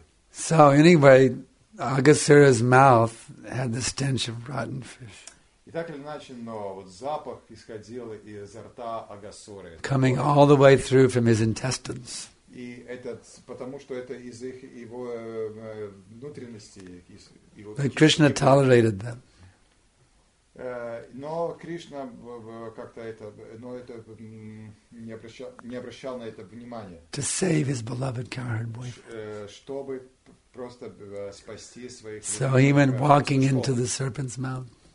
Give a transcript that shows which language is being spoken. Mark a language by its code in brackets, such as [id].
[en] So anyway, Agasura's mouth had the stench of rotten fish. [ru] И так или иначе, но вот запах исходил изо рта Агасуры. [en] Coming all the way through from his intestines. [ru] И этот, потому что это из их его внутренности. [en] But Krishna tolerated them. [ru] Но Кришна как-то это, но это не обращал на это внимания. [en] To save his beloved cowherd boyfriend. [ru] Чтобы просто спасти своих. [en] So he went walking into the serpent's mouth.